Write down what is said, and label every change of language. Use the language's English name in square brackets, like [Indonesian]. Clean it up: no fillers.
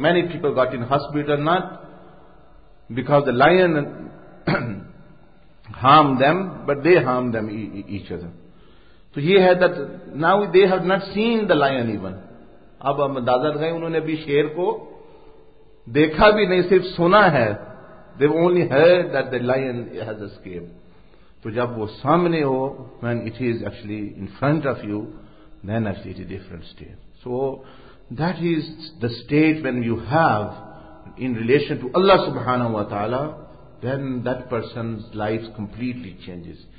[English] Many people got in hospital not because the lion harm them, but they harm them each other. So he had that, now they have not seen the lion even. [Urdu] اب ہم دادر گئے انہوں نے ابھی شیر کو دیکھا بھی نہیں صرف سنا ہے. [English] They only heard that the lion has escaped. [Urdu] تو جب وہ سامنے ہو, [English] when it is actually in front of you, then actually it is a different state. So that is the state when you have in relation to Allah subhanahu wa ta'ala, then that person's life completely changes.